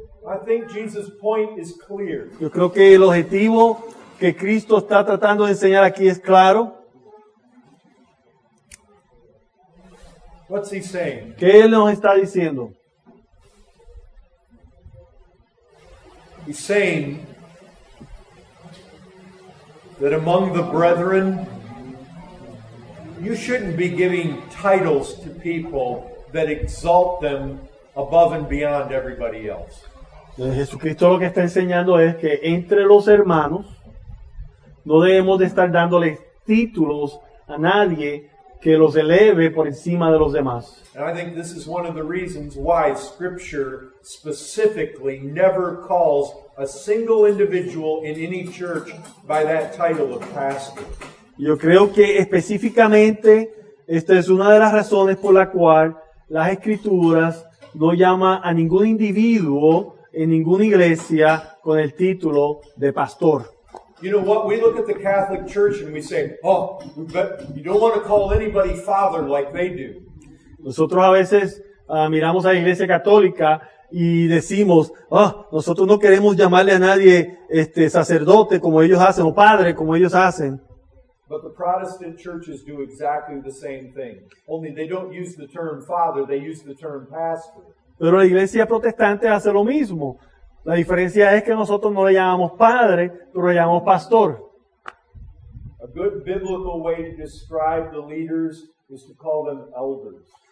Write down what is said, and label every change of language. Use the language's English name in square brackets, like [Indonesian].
[English] I think Jesus' point is clear. [Spanish] Yo creo que el objetivo que Cristo está tratando de enseñar aquí es claro. [English] What's he saying? [Spanish] ¿Qué él nos está diciendo? [English] He's saying that among the brethren, you shouldn't be giving titles to people that exalt them above and beyond everybody else. [Spanish] Jesucristo lo que está enseñando es que entre los hermanos no debemos de estar dándoles títulos a nadie que los eleve por encima de los demás. [English] And I think this is one of the reasons why Scripture specifically never calls a single individual in any church by that title of pastor. [Spanish] Yo creo que específicamente esta es una de las razones por la cual las Escrituras no llama a ningún individuo en ninguna iglesia con el título de pastor. [English] You know what? We look at the Catholic Church and we say, oh, but you don't want to call anybody father like they do. [Spanish] Nosotros a veces miramos a la Iglesia Católica y decimos, oh, nosotros no queremos llamarle a nadie sacerdote como ellos hacen o padre como ellos hacen. [English] But the Protestant churches do exactly the same thing. Only they don't use the term father, they use the term pastor. [Spanish] Pero la iglesia protestante hace lo mismo. La diferencia es que nosotros no le llamamos padre, pero le llamamos pastor. [English] A good biblical way to describe the leaders is to call them elders.